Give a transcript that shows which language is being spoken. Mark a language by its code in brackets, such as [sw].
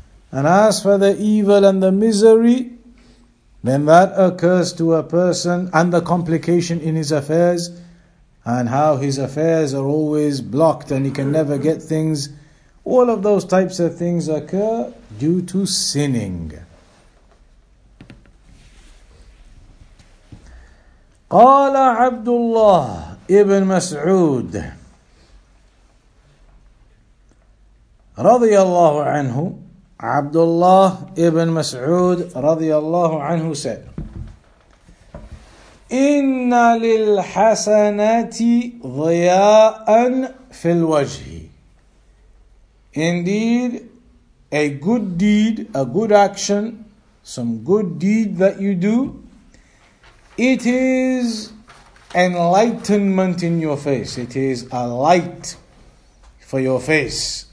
[en] and ask for the evil and the misery, then that occurs to a person and the complication in his affairs, and how his affairs are always blocked and he can never get things. All of those types of things occur due to sinning. [ar] قال عبد الله ابن مسعود رضي الله عنه عبد الله ابن مسعود رضي الله عنه [en] said [ar] إن للحسنات ضياء في الوجه. [en] Indeed, a good deed, a good action, some good deed that you do, it is enlightenment in your face. It is a light for your face.